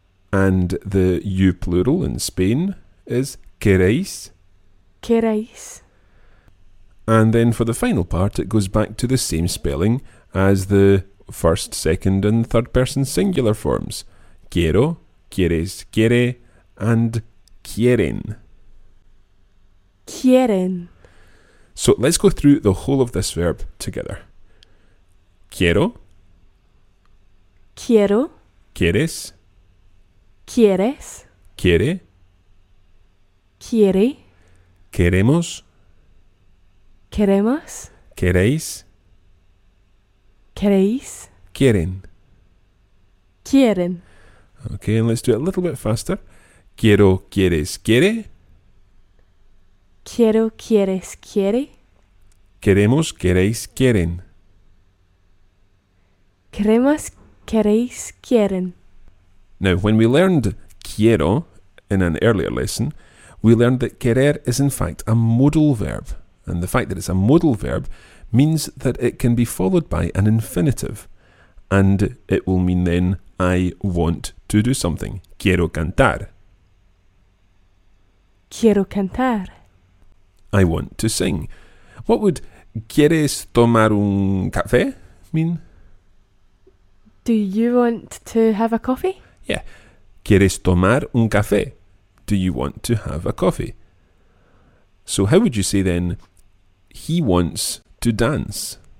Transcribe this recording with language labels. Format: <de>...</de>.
<en>And the you plural in Spain is queréis.</en> <es>Queréis.</es> <en>And then for the final part, it goes back to the same spelling as the first, second, and third person singular forms.</en> <es>Quiero, quieres, quiere, and quieren. Quieren.</es> <en>So let's go through the whole of this verb together.</en> <es>Quiero. Quiero. Quieres. Quieres. Quiere. Quiere. Queremos. Queremos. Queréis. Queréis. Quieren. Quieren.</es> <en>Okay, and let's do it a little bit faster.</en> <es>Quiero, quieres, quiere. Quiero, quieres, quiere. Queremos, queréis, quieren. Queremos, queréis, quieren.</es> <en>Now, when we learned quiero in an earlier lesson, we learned that querer is in fact a modal verb. And the fact that it's a modal verb means that it can be followed by an infinitive. And it will mean then, I want to do something.</en> <es>Quiero cantar. Quiero cantar.</es> <en>I want to sing. What would</en> <es>¿quieres tomar un café?</es> <en>Mean? Do you want to have a coffee?</en> <es>Yeah. ¿Quieres tomar un café?</es> <en>Do you want to have a coffee? So how would you say then, he wants to dance?</en>